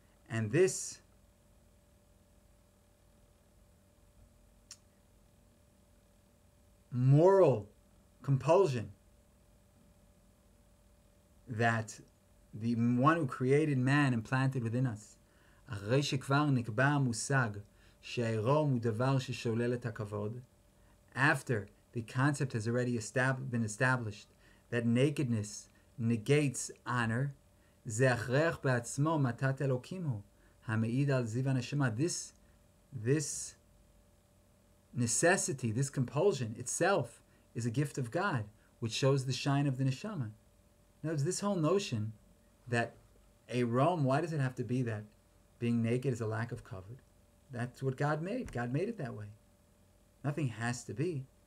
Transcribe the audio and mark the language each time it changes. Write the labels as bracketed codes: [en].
[en] And this moral compulsion that the one who created man implanted within us. [he] אחרי שכבר נקבע המושג שהעירום הוא דבר ששולל את הכבוד, [en] after the concept has already been established that nakedness negates honor, [he] זה הכרח בעצמו מתת אלוקים הוא, המעיד על זיו הנשמה. [en] This necessity, this compulsion itself is a gift of God, which shows the shine of the neshama. In other words, this whole notion that a Rome, why does it have to be that being naked is a lack of covet? That's what God made. God made it that way. Nothing has to be.